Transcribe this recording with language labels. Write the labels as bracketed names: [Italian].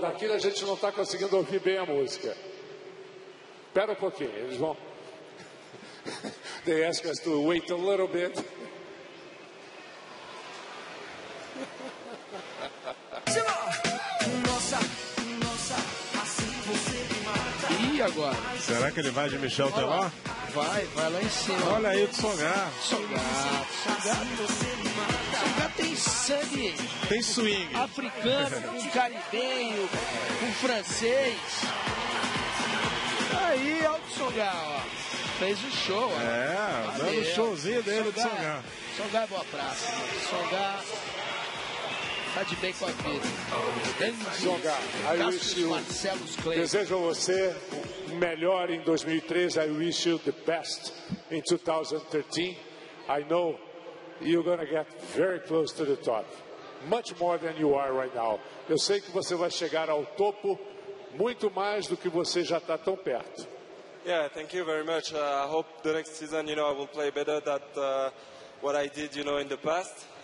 [Portuguese] Daqui a gente não está conseguindo ouvir bem a música. Espera um pouquinho, eles vão. [English] They ask us to wait a little bit. [Portuguese] E agora? Será que ele vai de Michel até lá? Vai lá em cima. Olha aí o Tsonga. Tsonga tem sangue. Tem swing. Africano, com caribenho, com francês. Aí, olha o Tsonga, ó. Fez o show. É, dando um showzinho dele do Tsonga. Tsonga é boa praça. Tsonga tá de bem com a vida. Tsonga, aí o Marcelo Clay. Desejo a você melhor em 2013. [English] I wish you the best in 2013. I know you're gonna get very close to the top, much more than you are right now. [Portuguese] Eu sei que você vai chegar ao topo muito mais do que você já está tão perto. [English] Yeah, thank you very much. I hope the next season, you know, I will play better than what I did, you know, in the past.